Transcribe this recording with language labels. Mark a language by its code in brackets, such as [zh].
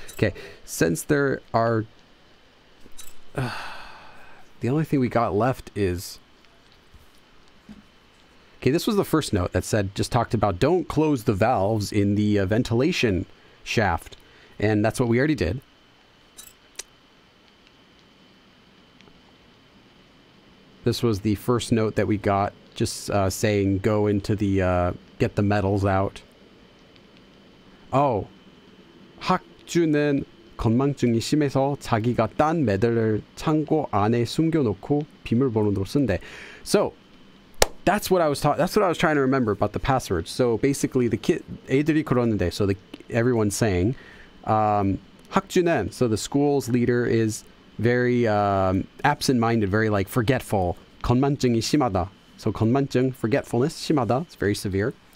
[en] Okay, since there are, the only thing we got left is, okay, this was the first note that said, just talked about, don't close the valves in the ventilation shaft. And that's what we already did. This was the first note that we got, just saying go into the, get the metals out. Oh. [ko] 학주는 건망증이 심해서 자기가 딴 메달을 창고 안에 숨겨놓고 비밀번호로 쓴대. [en] So, that's what I was trying to remember about the password. So, basically, the kid, [ko] 애들이 그러는데, [en] so the, everyone's saying, [ko] 학주는, [en] so the school's leader is very absent-minded, very, like, forgetful. [ko] 건망증이 심하다. [en] So 건망증, forgetfulness, 심하다. It's very severe.